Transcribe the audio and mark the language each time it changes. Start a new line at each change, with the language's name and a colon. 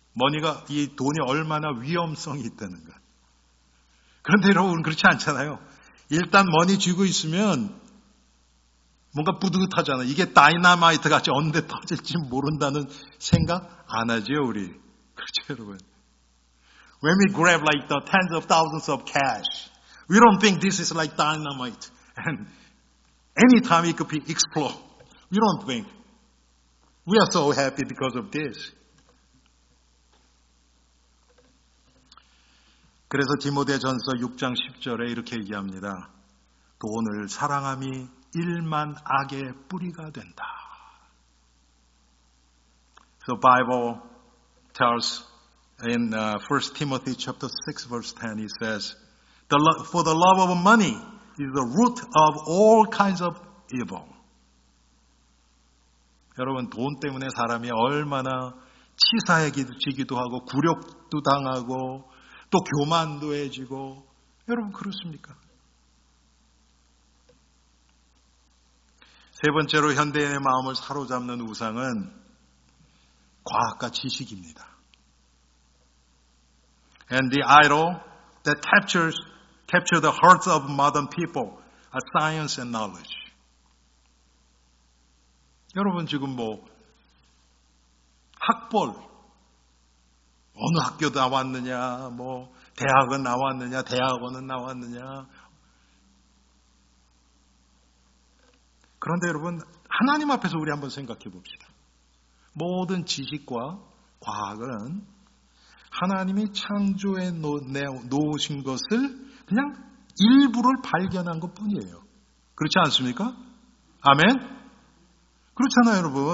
Korean: 머니가 이 돈이 얼마나 위험성이 있다는가. 그런데 여러분 그렇지 않잖아요. 일단 머니 쥐고 있으면 뭔가 뿌듯하잖아요. 이게 다이너마이트 같이 언제 터질지 모른다는 생각 안 하죠, 우리. 그렇죠, 여러분.
English: When we grab like the tens of thousands of cash, we don't think this is like dynamite. And anytime it could be explode, we don't think. We are so happy because of this.
Korean: 그래서 디모데전서 6장 10절에 이렇게 얘기합니다. 돈을 사랑함이 일만 악의 뿌리가 된다.
English: The Bible tells in 1 Timothy chapter 6 verse 10, it says, For the love of money is the root of all kinds of evil.
Korean: 여러분, 돈 때문에 사람이 얼마나 치사해지기도 하고 굴욕도 당하고 또 교만도 해지고, 여러분 그렇습니까? 세 번째로 현대인의 마음을 사로잡는 우상은 과학과 지식입니다.
English: And the idol that captures the hearts of modern people are science and knowledge.
Korean: 여러분 지금 뭐 학벌, 어느 학교 나왔느냐, 뭐 대학은 나왔느냐, 대학원은 나왔느냐. 그런데 여러분, 하나님 앞에서 우리 한번 생각해 봅시다. 모든 지식과 과학은 하나님이 창조해 놓으신 것을 그냥 일부를 발견한 것 뿐이에요. 그렇지 않습니까? 아멘? 그렇잖아요, 여러분.